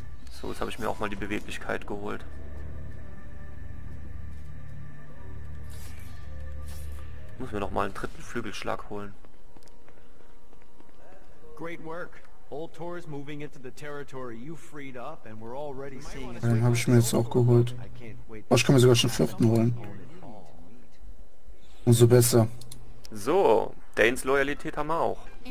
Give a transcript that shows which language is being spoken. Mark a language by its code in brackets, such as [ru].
[de] So, jetzt habe ich mir auch mal die Beweglichkeit geholt. Muss mir noch mal einen dritten Flügelschlag holen. [en] Great work. Old Tor is moving into the territory you freed up and we're already seeing. [de] Den habe ich mir jetzt auch geholt. Oh, ich kann mir sogar schon 5. holen. Umso besser. So, Danes Loyalität haben wir auch.